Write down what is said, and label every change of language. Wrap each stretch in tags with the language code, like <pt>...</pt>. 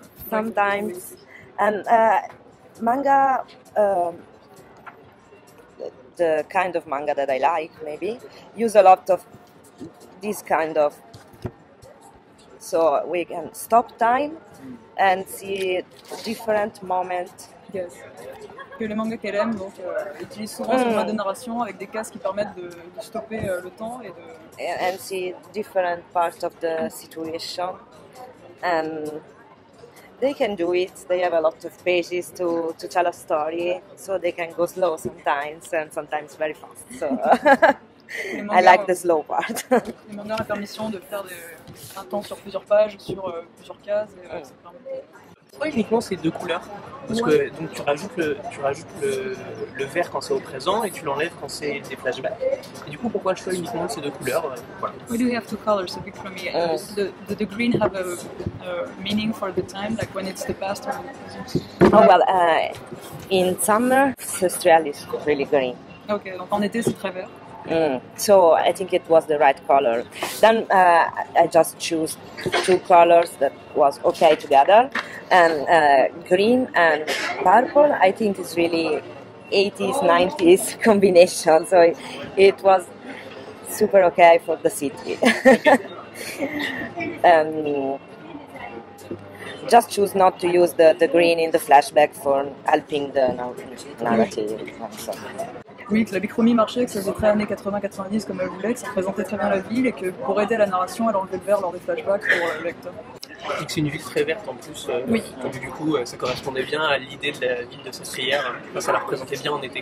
<en>sometimes and manga. The kind of manga that I like, maybe, use a lot of this kind of, so we can stop time and see different moments. Yes.</en> <fr>Que le manga qu'elle aime, donc, utilise souvent son mode de narration avec des cases qui permettent de stopper le temps et de...</fr> <en>And see different parts of the situation. And they can do it. They have a lot of pages to tell a story, so they can go slow sometimes and sometimes very fast. So I like the slow part.</en> <fr>Les mangas ont la permission de faire un temps sur plusieurs pages, sur plusieurs cases. Pourquoi uniquement ces deux couleurs? Parce que donc tu rajoutes le vert quand c'est au présent et tu l'enlèves quand c'est des flashbacks. Et du coup, pourquoi le choix uniquement de ces deux couleurs?</fr> <en>We do have two colors, a bit for me. The green have a meaning for the time, like when it's the past. Oh well, in summer, Sestrial is really green.</en> <fr>Okay, donc en été, c'est très vert.</fr> <en>So I think it was the right color. Then I just choose two colors that was okay together, and green and purple. I think it's really 80s, 90s combination. So it was super okay for the city. Just choose not to use the green in the flashback for helping the narrative. So.</en> <fr>Oui, que la bichromie marchait, que ça faisait très années 80-90 comme elle voulait, que ça représentait très bien la ville et que pour aider à la narration, elle enlevait le vert lors des flashbacks pour le lecteur. Et que c'est une ville très verte en plus, oui. Donc du coup ça correspondait bien à l'idée de la ville de Sestrière, enfin, ça la représentait bien en été.</fr>